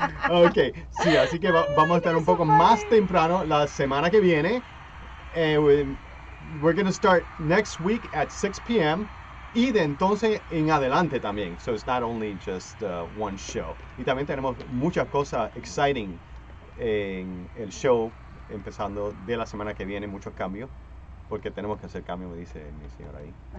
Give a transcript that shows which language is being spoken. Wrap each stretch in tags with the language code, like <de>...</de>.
<es>Ok. Sí, así que vamos a estar un poco más temprano la semana que viene.</es> <en>We're going to start next week at 6 p.m.</en> <es>Y de entonces en adelante también.</es> <en>So it's not only just one show.</en> <es>Y también tenemos muchas cosas exciting en el show empezando de la semana que viene, muchos cambios, porque tenemos que hacer cambios, me dice mi señora ahí.</es>